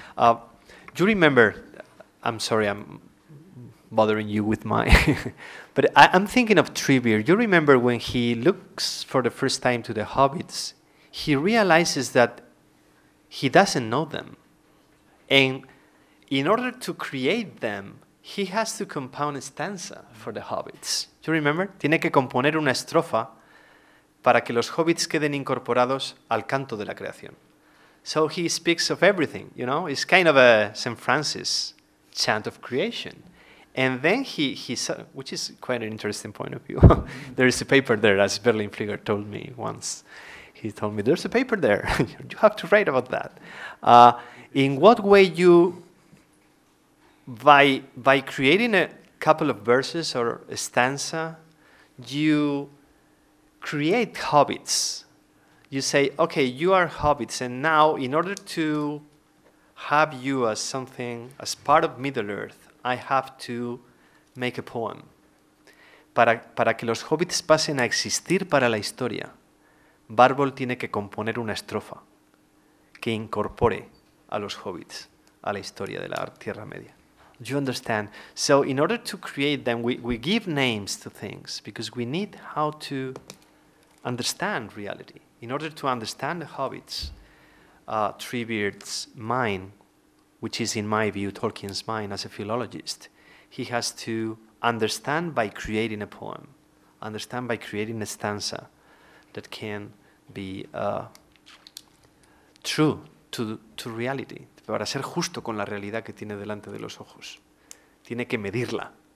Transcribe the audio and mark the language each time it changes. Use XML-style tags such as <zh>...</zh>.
<en>Do you remember, I'm sorry, I'm bothering you with my, but I'm thinking of Treebeard. You remember when he looks for the first time to the hobbits, he realizes that he doesn't know them. And in order to create them, he has to compound a stanza for the hobbits. Do you remember?</en> <es>Tiene que componer una estrofa para que los hobbits queden incorporados al canto de la creación.</es> <en>So he speaks of everything, you know? It's kind of a St. Francis chant of creation. And then he saw, which is quite an interesting point of view. There is a paper there, as Berlin Flieger told me once. He told me, there's a paper there. You have to write about that. In what way you, by creating a couple of verses or a stanza, you create hobbits. You say, okay, you are hobbits, and now in order to have you as something, as part of Middle-earth, I have to make a poem.</en> <es>Para que los hobbits pasen a existir para la historia, Barbol tiene que componer una estrofa que incorpore a los hobbits a la historia de la Tierra Media.</es> <en>Do you understand? So in order to create them, we give names to things because we need how to understand reality. In order to understand the hobbits, Treebeard's mind, which is, in my view, Tolkien's mind as a philologist, he has to understand by creating a poem, understand by creating a stanza that can be true to reality,</en> <es>para ser justo con la realidad que tiene delante de los ojos. Tiene que medirla.</es>